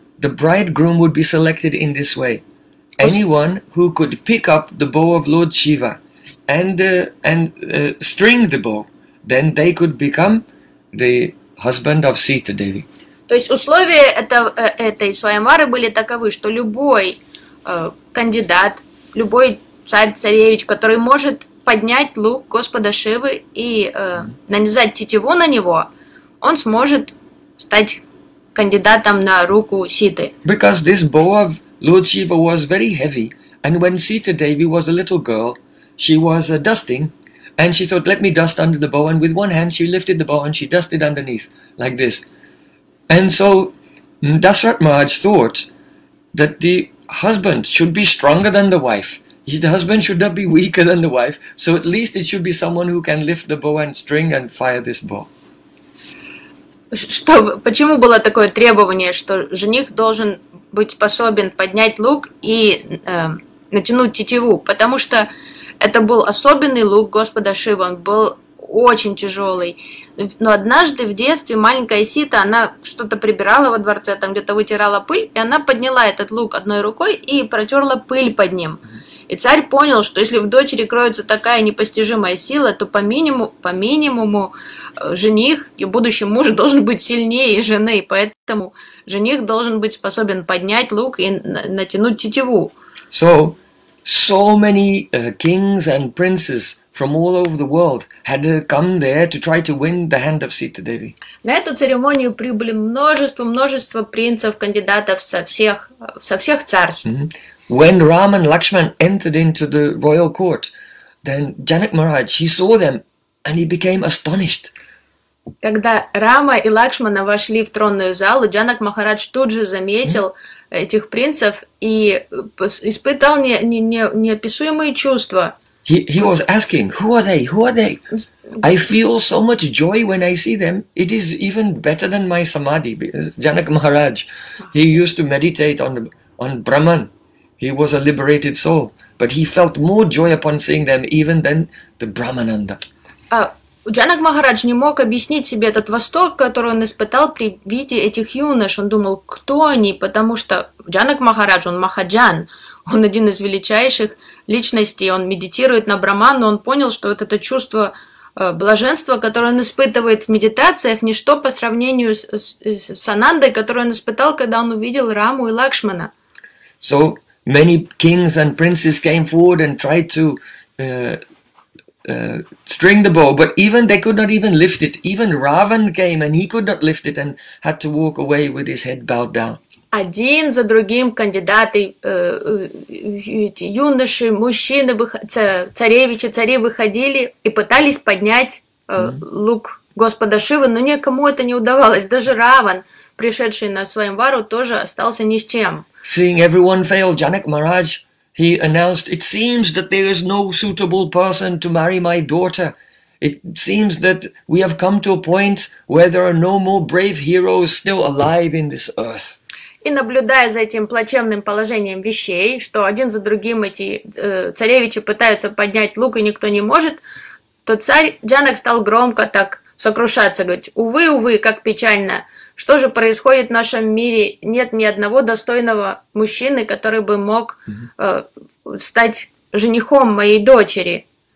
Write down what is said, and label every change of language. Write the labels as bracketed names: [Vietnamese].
[English] The bridegroom would be selected in this way. Anyone who could pick up the bow of Lord Shiva and string the bow, then they could become the husband of Sita Devi. [Russian] То есть условия этой Свайамвары были таковы, что любой кандидат, любой царь-царевич, который может поднять лук Господа Шивы и нанизать тетиву на него, он сможет стать кандидатом на руку Ситы. [English] Because this bow of Lord Shiva was very heavy, and when Sita Devi was a little girl, she was dusting, and she thought, "Let me dust under the bow," and with one hand she lifted the bow and she dusted underneath, like this. And so Dasharatha Maharaj thought that the husband should be stronger than the wife. The husband should not be weaker than the wife. So at least it should be someone who can lift the bow and string and fire this bow. [Russian] Что, почему было такое требование, что жених должен быть способен поднять лук и натянуть тетиву? Потому что это был особенный лук Господа Шивы. Он был очень тяжелый. Но однажды в детстве маленькая Сита, она что-то прибирала во дворце, там где-то вытирала пыль, и она подняла этот лук одной рукой и протерла пыль под ним. И царь понял, что если в дочери кроется такая непостижимая сила, то по минимуму жених и будущий муж должен быть сильнее жены, поэтому жених должен быть способен поднять лук и натянуть тетиву. [English] So many kings and princes from all over the world had come there to try to win the hand of Sita Devi. [Russian] На эту церемонию прибыли множество принцев, кандидатов со всех царств. [English] When Ram and Lakshman entered into the royal court, then Janak Maharaj, he saw them and he became astonished. [Russian] Когда Рама и Лакшмана вошли в тронную залу, Джанак Махарадж тут же заметил этих принцев и испытал неописуемые чувства. [English] He was asking, who are they? Who are they? I feel so much joy when I see them. It is even better than my samadhi. Janak Maharaj, he used to meditate on Brahman. He was a liberated soul. But he felt more joy upon seeing them even than the Brahmananda. [Russian] Джанак Махарадж не мог объяснить себе этот восторг, который он испытал при виде этих юнош. Он думал, кто они, потому что Джанак Махарадж, он Махаджан, он один из величайших личностей, он медитирует на Брахману, он понял, что вот это чувство блаженства, которое он испытывает в медитациях, ничто по сравнению с Анандой, которую он испытал, когда он увидел Раму и Лакшмана. [English] So many kings and princes came forward and tried to string the bow, but even they could not even lift it. Even Ravan came and he could not lift it and had to walk away with his head bowed down. [Russian] Один за другим кандидаты, юноши, мужчины, царевичи, цари выходили и пытались поднять лук Господа Шивы, но никому это не удавалось. Даже Раван, пришедший на своем вару, тоже остался ни с чем. [English] Seeing everyone fail, Janak Maharaj, he announced, it seems that there is no suitable person to marry my daughter. It seems that we have come to a point where there are no more brave heroes still alive in this earth. [Russian] И наблюдая за этим плачевным положением вещей, что один за другим эти царевичи пытаются поднять лук, и никто не может, то царь Джанак стал громко так сокрушаться, говорит, увы, увы, как печально. Что же происходит в нашем мире? Нет ни одного достойного мужчины, который бы мог стать женихом моей дочери.